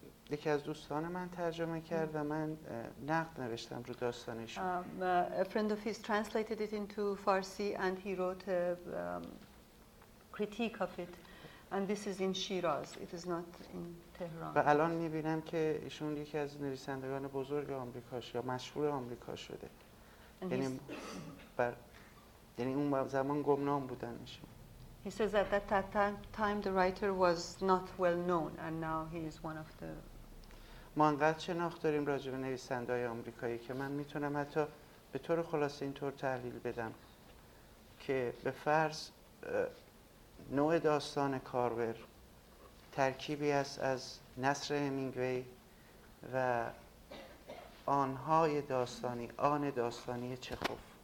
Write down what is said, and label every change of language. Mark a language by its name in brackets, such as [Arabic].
[Persian] یکی از دوستان من ترجمه کرد و من نقد نوشتم رو داستانش [English] a friend of his translated it into Farsi and he wrote a critique of it and this is in Shiraz it is not in Tehran [Persian] و الان می‌بینم که ایشون یکی از نویسندگان بزرگ آمریکا یا مشهور آمریکا شده یعنی اون زمان گمنام بودن ایشون [English] He says that at that time the writer was not well known and now he is one of the [Persian] ما انقدر شناخت داریم راجع به نویسنده‌های آمریکایی که من میتونم حتی به طور خلاصه اینطور تحلیل بدم که به فرض نوع داستان کارور ترکیبی است از نثر همینگوی و آن داستانی چخوف